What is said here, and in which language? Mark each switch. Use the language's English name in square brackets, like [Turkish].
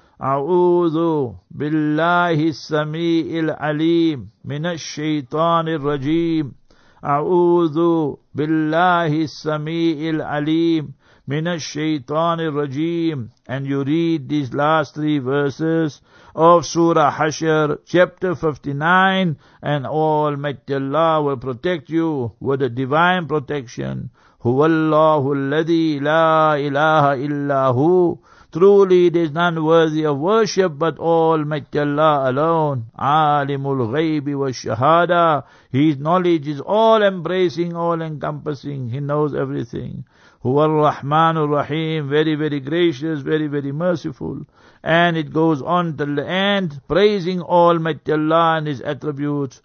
[Arabic] أعوذ بالله السميع العليم من الشيطان الرجيم أعوذ بالله السميع العليم من الشيطان الرجيم. [English] And you read these last three verses of Surah Hashr, chapter 59, and Almighty Allah will protect you with the divine protection. [Arabic] هو الله الذي لا إله إلا هو. [English] Truly, there is none worthy of worship but Almighty Allah alone. [Arabic] Alimul Ghaybi wa Shahada. [English] His knowledge is all-embracing, all-encompassing. He knows everything. [Arabic] Huwa ar-Rahman ar-Rahim. [English] Very, very gracious, very, very merciful. And it goes on till the end, praising Almighty Allah and His attributes.